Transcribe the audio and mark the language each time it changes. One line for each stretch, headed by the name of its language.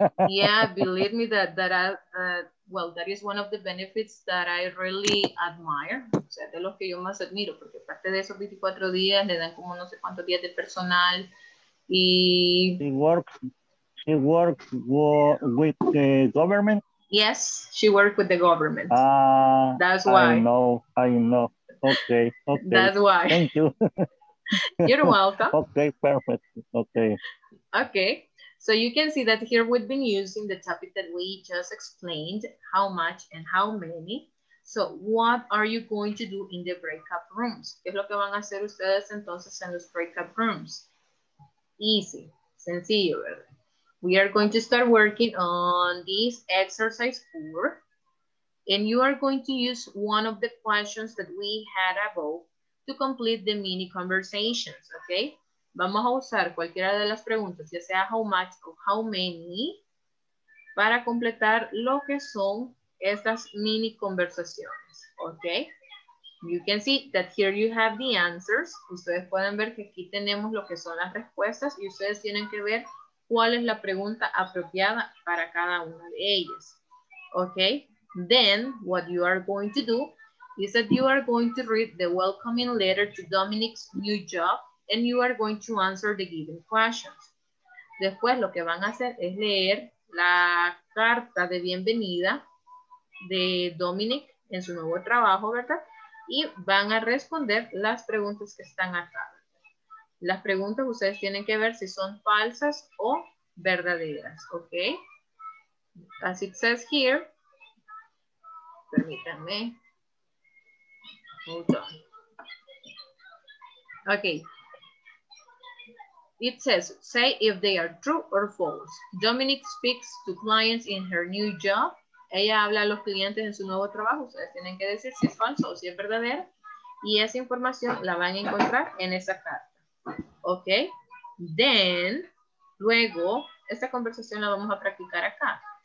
English: Yeah, believe me, that is one of the benefits that I really admire.
Spanish: O sea, de los que yo más admiro, porque aparte de esos 24 días, le dan como no sé cuántos días de personal. Y
English: she works with the government. Yes, she worked with the government. That's why. I know. Okay. That's why. Thank you. You're welcome. Okay, perfect. Okay. Okay. So you can see that here we've been using the topic that we just explained, how much and how many. So what are you going to do in the breakup rooms?
Spanish: ¿Qué es lo que van a hacer ustedes entonces en los breakup rooms?
English: Easy.
Spanish: Sencillo, ¿verdad?
English: We are going to start working on this exercise 4. And you are going to use one of the questions that we had above to complete the mini conversations, okay?
Spanish: Vamos a usar cualquiera de las preguntas, ya sea how much o how many, para completar lo que son estas mini conversaciones, okay?
English: You can see that here you have the answers.
Spanish: Ustedes pueden ver que aquí tenemos lo que son las respuestas y ustedes tienen que ver cuál es la pregunta apropiada para cada una de ellas, okay?
English: Then, what you are going to do is that you are going to read the welcoming letter to Dominic's new job and you are going to answer the given questions.
Spanish: Después, lo que van a hacer es leer la carta de bienvenida de Dominic en su nuevo trabajo, ¿verdad? Y van a responder las preguntas que están acá. Las preguntas ustedes tienen que ver si son falsas o verdaderas, ¿ok?
English: As it says here,
Spanish: permítanme.
English: Okay. It says, say if they are true or false. Dominic speaks to clients in her new job.
Spanish: Ella habla a los clientes en su nuevo trabajo. Ustedes tienen que decir si es falso o si es verdadera. Y esa información la van a encontrar en esa carta. Okay. Then, luego, esta conversación la vamos a practicar acá.